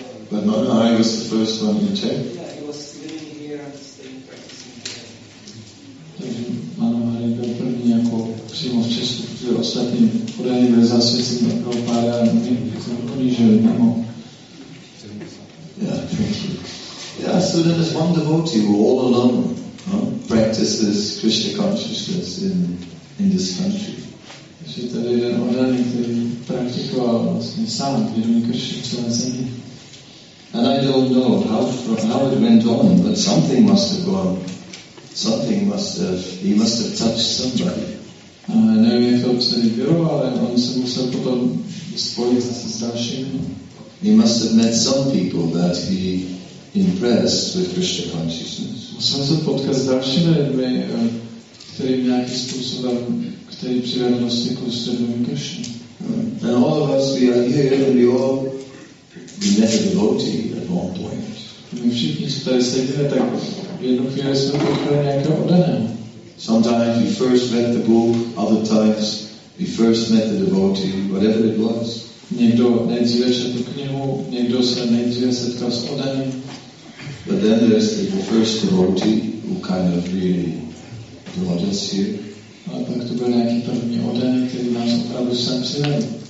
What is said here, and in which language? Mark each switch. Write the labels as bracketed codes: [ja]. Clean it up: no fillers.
[en] But Manohari was the first one in Czech. Yeah, he was living here and staying practicing here. [cs] Takže Manohari byl první jako přímo v Česku, protože ostatní podaní byli zasvěcení na Prabhupáda a my jsme oni žili mimo. [en] Yeah, so then there's one devotee who all alone, practices Krishna consciousness in this country. [cs] Že tady je odaný, který praktikoval vlastně sám, vědomí Krishna celé země. [en] And I don't know how it went on, but something must have gone. Something must have, he must have touched somebody. [cs] Nevím, jak to celý bylo, ale on se musel potom spojit s dalším. [en] He must have met some people that he impressed with Krishna consciousness. [cs] Musel se potkat s dalšími lidmi, kterým nějakým způsobem, který přivedl do styku s vědomím Krishna. [en] And all of us, we are here and we met a devotee at one point. [cs] My všichni, co tady sedíme, tak v jednu chvíli jsme potkali nějakého oddaného. [en] Sometimes we first met the group, other times we first met the devotee, whatever it was. [cs] Někdo nejdříve četl knihu, někdo se nejdříve setkal s oddaným. [en] But then there's the first devotee who kind of really brought us here. [cs] A pak to byl nějaký první oddaný, který nás opravdu sem přivedl.